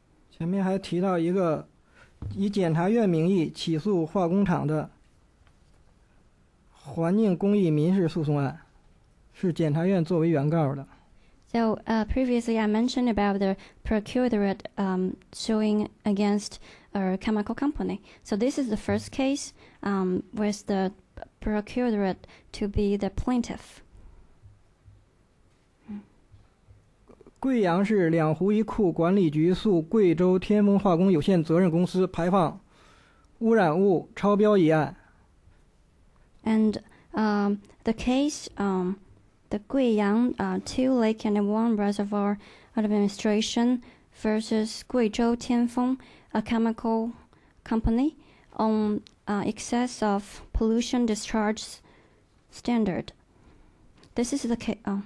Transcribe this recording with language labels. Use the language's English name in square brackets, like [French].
[Chinese] 前面还提到一个以检察院名义起诉化工厂的环境公益民事诉讼案，是检察院作为原告的。 [English] So previously I mentioned about the procuratorate suing against a chemical company. So this is the first case with the procuratorate to be the plaintiff. [Chinese] 贵阳市两湖一库管理局诉贵州天风化工有限责任公司排放污染物超标一案。 [English] And the case, the Guiyang Two Lake and One Reservoir Administration versus Guizhou Tianfeng, a chemical company, on excess of pollution discharge standard. This is the case.